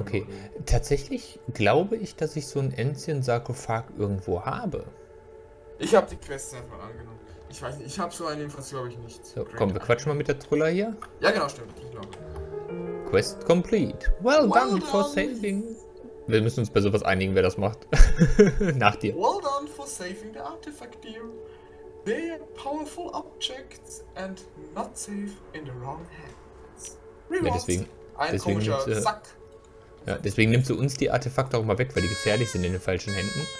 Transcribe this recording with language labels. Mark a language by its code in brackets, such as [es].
[de] Okay, tatsächlich glaube ich, dass ich so ein Ancient-Sarkophag irgendwo habe. Ich habe die Quest einfach angenommen. Ich weiß nicht, ich habe so eine Infos, glaube ich, nicht. So, komm, wir quatschen mal mit der Trulla hier. Ja, genau, stimmt. Ich glaube. [en] Quest complete. Well done for saving. [de] Wir müssen uns bei sowas einigen, wer das macht. Nach dir. [en] Well done for saving the artifact, dear. They are powerful objects and not safe in the wrong hands. [de] Rewards. Ja, deswegen komischer Sack. Ja, deswegen nimmst du uns die Artefakte auch mal weg, weil die gefährlich sind in den falschen Händen.